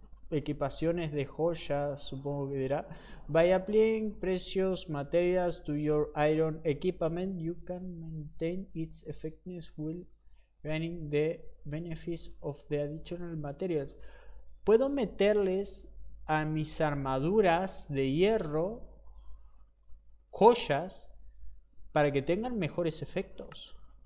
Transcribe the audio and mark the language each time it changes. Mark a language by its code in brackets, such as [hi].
[es] Equipaciones de joyas, supongo que dirá. [en] By applying precious materials to your iron equipment, you can maintain its effectiveness while gaining the benefits of the additional materials. [es] Puedo meterles a mis armaduras de hierro joyas para que tengan mejores efectos.